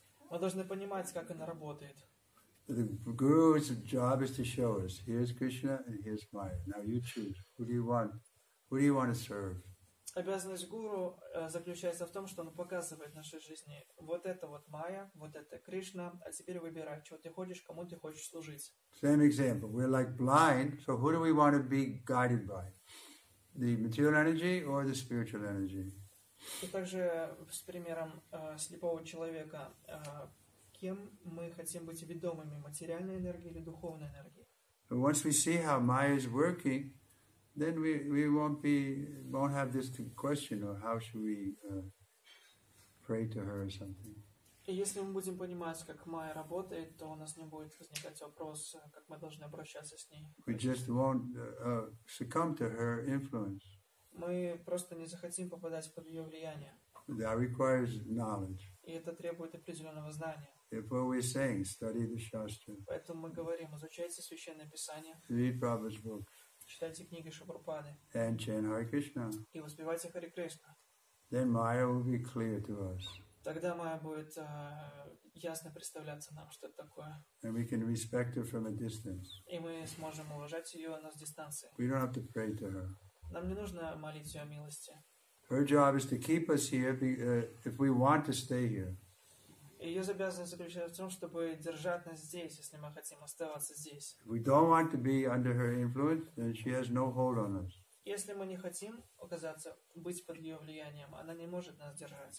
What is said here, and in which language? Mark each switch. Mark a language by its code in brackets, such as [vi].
[ru] Мы должны понимать, как она работает. [en] The guru's job is to show us, here's Krishna and here's Maya. Now you choose. Who do you want? Who do you want to serve? [ru] Обязанность гуру заключается в том, что он показывает в нашей жизни, вот это вот Майя, вот это Кришна, а теперь выбирай, чего ты хочешь, кому ты хочешь служить. [en] Same example. We're like blind, so who do we want to be guided by? The material energy or the spiritual energy? [ru] И также с примером слепого человека, кем мы хотим быть ведомыми, материальной энергией или духовной энергией. [en] Once we see how Maya is working, then we won't have this question of how should we pray to her or something. [ru] И если мы будем понимать, как Майя работает, то у нас не будет возникать вопрос, как мы должны обращаться с ней. [en] We just won't succumb to her influence. [ru] Мы просто не захотим попадать под ее влияние. [en] That requires knowledge. [ru] И это требует определенного знания. [en] Therefore, we're saying, study the Shastra. [ru] Поэтому мы говорим, изучайте Священное Писание. [en] Read Prabhupada's books. [ru] Читайте книги Шупрупады. [en] And chant Hare Krishna. [ru] И воспевайте Харе Кришна. [en] Then Maya will be clear to us. [ru] Тогда Майя будет ясно представляться нам, что это такое. [en] And we can respect her from a distance. [ru] И мы сможем уважать ее, но с дистанции. [en] We don't have to pray to her. [ru] Нам не нужно молить ее о милости. [en] Her job is to keep us here if we want to stay here. [ru] Ее обязанность заключается в том, чтобы держать нас здесь, если мы хотим оставаться здесь. [en] We don't want to be under her influence, then she has no hold on us. [ru] Если мы не хотим оказаться, быть под ее влиянием, она не может нас держать.